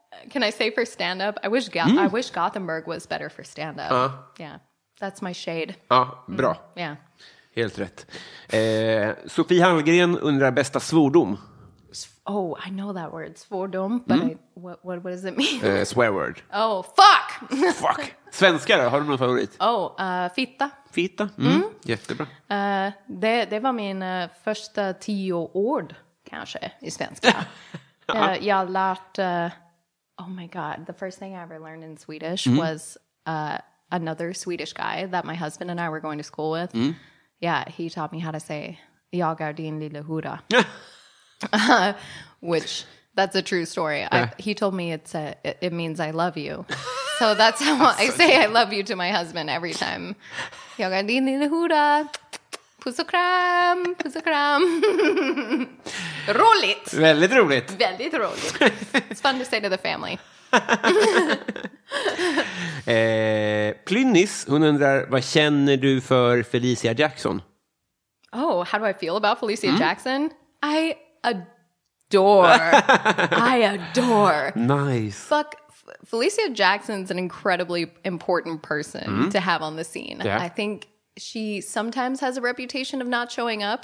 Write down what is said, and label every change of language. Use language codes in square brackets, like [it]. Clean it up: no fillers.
[en] Can I say for stand-up? I wish Gothenburg was better for stand-up. Yeah, that's my shade. [sv] Ja, bra. [en] Yeah. [sv] Helt rätt. Sofie Hallgren undrar bästa svordom. [en] Oh, I know that word, svordom, but what does it mean? Swear word. Oh, fuck! Fuck. [sv] Svenska då, har du någon favorit? Oh, fitta. Fitta, jättebra. Det var min första 10 ord, kanske, i svenska. jag har lärt, [en] oh my god, the first thing I ever learned in Swedish was another Swedish guy that my husband and I were going to school with. Mm. Yeah, he taught me how to say, [sv] jag är din lilla hura. [en] Which, that's a true story. He told me it means I love you. So that's how I say I love you to my husband every time. [sv] Jag är din lilla hura. Puss och kram, puss och kram. Roligt. Väldigt roligt. Väldigt roligt. [en] It's fun to say to the family. [sv] Plynnis, hon undrar, vad känner du för Felicia Jackson? [en] Oh, how do I feel about Felicia Jackson? I adore. I adore. Nice. Fuck, Felicia Jackson's an incredibly important person to have on the scene. Yeah. I think she sometimes has a reputation of not showing up.